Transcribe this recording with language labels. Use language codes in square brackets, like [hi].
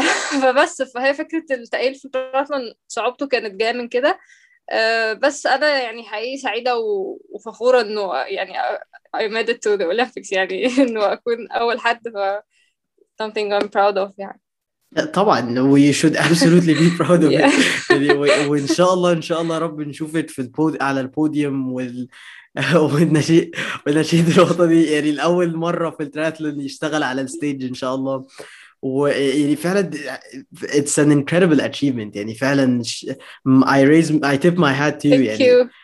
[ar] فبس فهي فكرة التأهيل في التراثلون صعوبته كانت جاية من كده, بس أنا يعني حقيقي سعيدة وفخورة إنه يعني [en] I made it to the Olympics, [ar] يعني إنه أكون أول حد, ف [en] something I'm proud of [ar] يعني. طبعا [en] we should absolutely be proud of it. [ar] وإن شاء الله إن شاء الله رب نشوفك في على البوديوم والنشيد الوطني, يعني الأول مرة في التراثلون يشتغل على الستيج إن شاء الله. ويعني فعلا [en] it's an incredible achievement, [ar] يعني فعلا [en] I tip my hat to you.